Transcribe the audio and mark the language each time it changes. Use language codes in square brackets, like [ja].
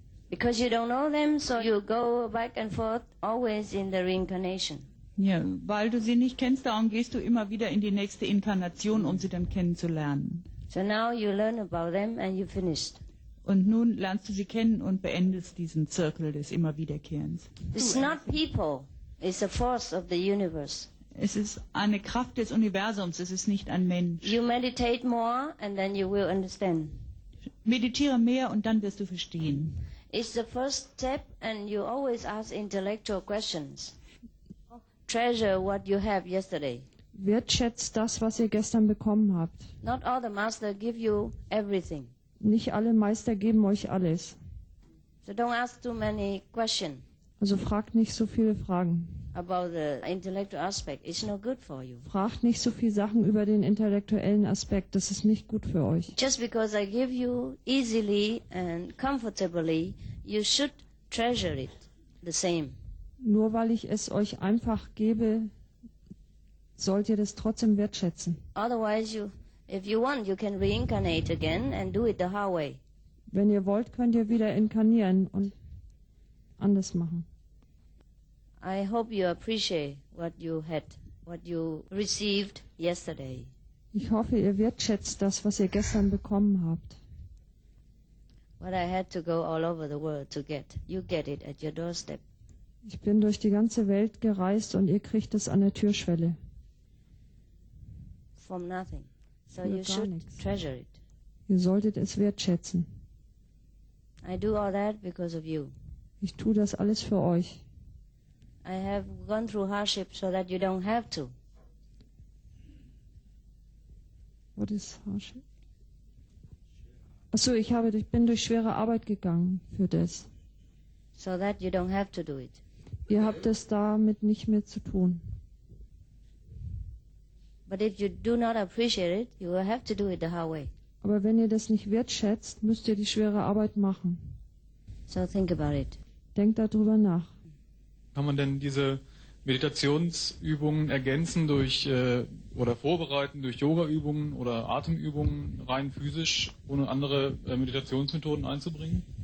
[en] Because you don't know them, so you go back and forth always in the reincarnation. [de] Ja, weil du sie nicht kennst, darum gehst du immer wieder in die nächste Inkarnation, um sie dann kennenzulernen. [en] So now you learn about them and you finished. [de] Und nun lernst du sie kennen und beendest diesen Zirkel des immer wiederkehrens. [en] It's not people, it's a force of the universe. [de] Es ist eine Kraft des Universums, es ist nicht ein Mensch. [en] You meditate more and then you will understand. [de] Meditiere mehr und dann wirst du verstehen. [en] It's the first step and you always ask intellectual questions. Treasure what you have yesterday. [de] Wertschätzt das, was ihr gestern bekommen habt. [en] Not all the master give you everything. [de] Nicht alle Meister geben euch alles. [en] So don't ask too many questions. [de] Also fragt nicht so viele Fragen. [en] About the intellectual aspect. It's not good for you. [de] Fragt nicht so viele Sachen über den intellektuellen Aspekt. Das ist nicht gut für euch. [en] Just because I give you easily and comfortably, you should treasure it the same. [de] Nur weil ich es euch einfach gebe, sollt ihr das trotzdem wertschätzen. [en] Otherwise, if you want, you can reincarnate again and do it the hard way. [de] Wenn ihr wollt, könnt ihr wieder inkarnieren und anders machen. [en] I hope you appreciate what you had, what you received yesterday. [de] Ich hoffe, ihr wertschätzt das, was ihr gestern bekommen habt. [en] What I had to go all over the world to get. You get it at your doorstep. [de] Ich bin durch die ganze Welt gereist und ihr kriegt es an der Türschwelle. [en] From nothing. So you should treasure it. [de] Ihr solltet es wertschätzen. [en] I do all that because of you. [de] Ich tue das alles für euch. [en] I have gone through hardship so that you don't have to. What is hardship? [de] Achso, ich bin durch schwere Arbeit gegangen für das. [en] So that you don't have to do it. [de] Ihr habt es damit nicht mehr zu tun. [en] But if you do not appreciate it, you will have to do it the hard way. [de] Aber wenn ihr das nicht wertschätzt, müsst ihr die schwere Arbeit machen. [en] So think about it. [de] Denkt darüber nach. Kann man denn diese Meditationsübungen ergänzen durch oder vorbereiten durch Yoga-Übungen oder Atemübungen rein physisch, ohne andere Meditationsmethoden einzubringen?